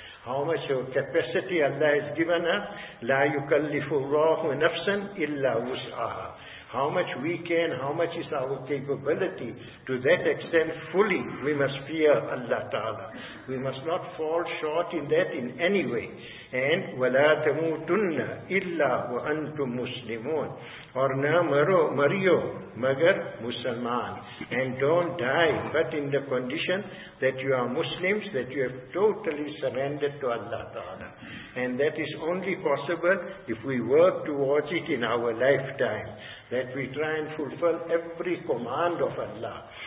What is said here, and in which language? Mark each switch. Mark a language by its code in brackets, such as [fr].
[en] How much of capacity Allah has given us, [ar] la yukallifu Allahu nafsan illa wus'aha. [en] How much we can, how much is our capability, to that extent fully we must fear Allah Ta'ala. We must not fall short in that in any way. And [ar] وَلَا تَمُوتُنَّ إِلَّا وَأَنْتُمْ مُسْلِمُونَ. [ur] Or na mario magar musalman. [en] And don't die but in the condition that you are Muslims, that you have totally surrendered to Allah Ta'ala. And that is only possible if we work towards it in our lifetime. That we try and fulfill every command of Allah.